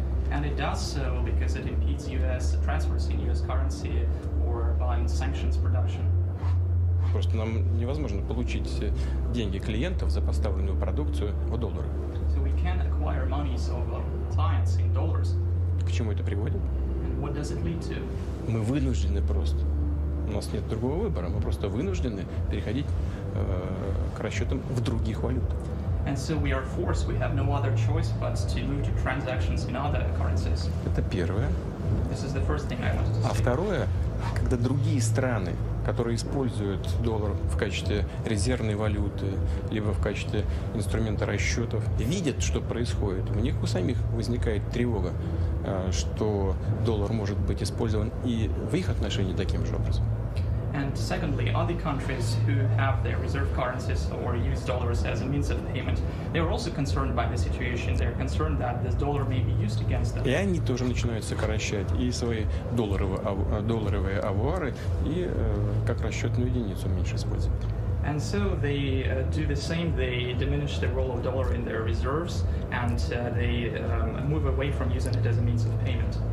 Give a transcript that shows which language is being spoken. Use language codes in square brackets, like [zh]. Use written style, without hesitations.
[en] And it does so because it impedes U.S. transfers in U.S. currency or buying sanctions production. [ru] Просто нам невозможно получить деньги клиентов за поставленную продукцию в доллары. [en] So we can acquire money of clients in dollars. [ru] К чему это приводит? [en] And what does it lead to? [ru] Мы вынуждены просто. У нас нет другого выбора. Мы просто вынуждены переходить к расчетам в других валютах. [en] And so we are forced, we have no other choice but to move to transactions in other currencies. [ru] Это первое. [en] This is the first thing I wanted to say. [ru] А второе, когда другие страны, которые используют доллар в качестве резервной валюты, либо в качестве инструмента расчетов, видят, что происходит, у них у самих возникает тревога, что доллар может быть использован и в их отношении таким же образом. [en] And secondly, other countries who have their reserve currencies or use dollars as a means of payment, they are also concerned by the situation. They are concerned that this dollar may be used against them. [ru] И они тоже начинают сокращать и свои долларовые авуары, и как расчетную единицу меньше использовать. [en] And so they do the same. They diminish the role of dollar in their reserves, and they move away from using it as a means of payment.